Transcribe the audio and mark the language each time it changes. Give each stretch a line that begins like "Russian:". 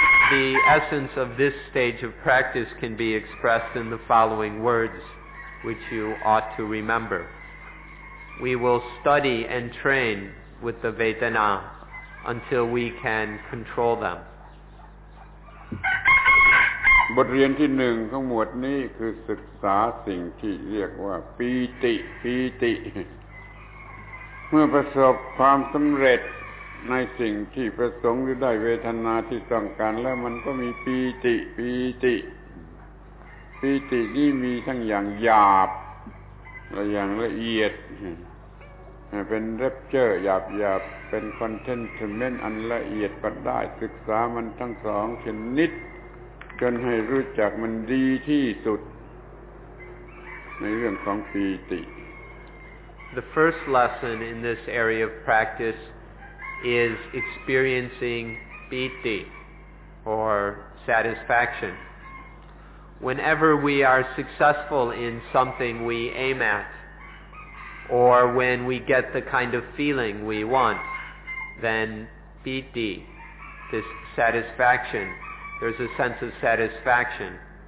English: The essence of this stage of practice can be expressed in the following words, which you ought to remember. We will study and train with the Vedana until we can control them.
Thai: บทเรียนที่หนึ่งของหมวดนี้คือศึกษาสิ่งที่เรียกว่าปีติปีติเมื่อประสบความสำเร็จในสิ่งที่ประสงค์หรือได้เวทนาที่ต้องการแล้วมันก็มีปีติปีติปีตินี่มีทั้งอย่างหยาบและอย่างละเอียด เป็นเรปเจอร์หยาบหยาบเป็นคอนเทนเมนต์อันละเอียดก็ได้ศึกษามันทั้งสองชนิดจนให้รู้จักมันดีที่สุดในเรื่องของปีติ
English: The first lesson in this area of practice is experiencing piti or satisfaction. Whenever we are successful in something we aim at, or when we get the kind of feeling we want, then piti, this satisfaction, there's a sense of satisfaction.